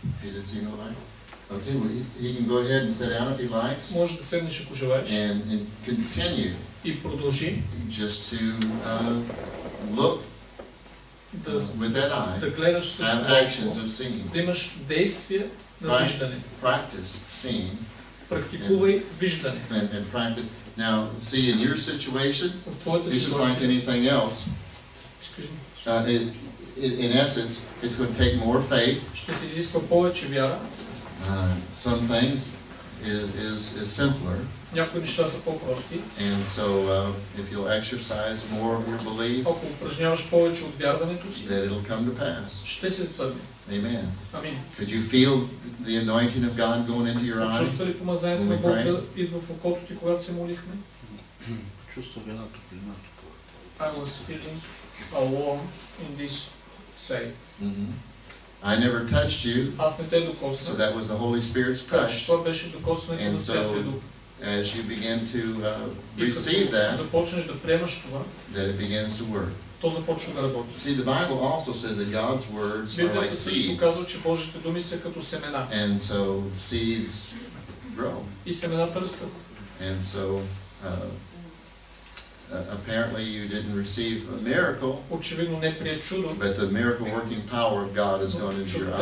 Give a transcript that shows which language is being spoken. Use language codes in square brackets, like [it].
[en] He didn't see no light? Okay, well, he can go ahead and sit down if he likes. [bg] Може да седнеш, ако желаеш. [en] And continue. [bg] И продължи. [en] Just to look with that eye. [bg] Да гледаш с това. [en] Actions of seeing. [bg] Да имаш действия на виждане. [en] Practice seeing. [bg] Практикувай виждане. [en] And practice. Now, see in your situation, this is like anything else. Excuse me. In essence, it's going to take more faith. [bg] Ще се изисква повече вяра. [en] Some things is simpler. [bg] Някои неща са по-прости. [en] And so, if you'll exercise more of your belief, [bg] ако упражняваш повече от вярването си, [en] then it'll come to pass. [bg] Ще се сбъдне. [en] Amen. [bg] Амин. [en] Could you feel the anointing of God going into your eyes? [bg] Чувства ли помазанието на Бог да идва в окото ти, когато се молихме? Чувства ли една топлина? [en] I was feeling a warm in this. Say. Mm-hmm. I never touched you. [bg] Аз не те докосна. [en] So that was the Holy Spirit's touch. [bg] Това беше докосването на Святия Дух. [en] As you begin to receive that, [bg] започнеш да приемаш това, [en] that it begins to work. [bg] То започва да работи. [en] See, the Bible also says that God's words are like seeds. [bg] Библията също казва, че Божите думи са като семена. [en] And so seeds grow. [bg] И семената растат. [en] And so apparently you didn't receive a miracle. [bg] Очевидно не прие чудо. [en] But the miracle working power of God has gone into your eyes.